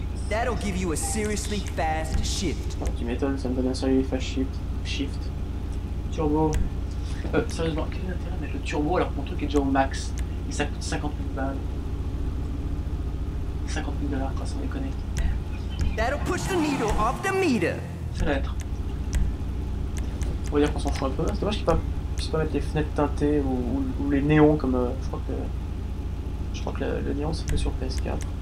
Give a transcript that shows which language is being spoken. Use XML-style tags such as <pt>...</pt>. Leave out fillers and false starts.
<en>That'll give you a seriously fast shift.</en> <fr>Ah, tu m'étonnes, ça me donne un</fr> <en>seriously fast shift.</en> <fr>Shift. Turbo. Sérieusement, quel est l'intérêt de mettre le turbo alors que mon truc est déjà au max? Et ça coûte 50 000 balles. 50 000 dollars, quoi, sans déconner.</fr> <en>That'll push the needle off the meter.</en> <fr>Ça va être. On va dire qu'on s'en fout un peu. C'est dommage qu'il puisse pas mettre les fenêtres teintées ou les néons comme. Je crois que le néon c'est que sur PS4.</fr>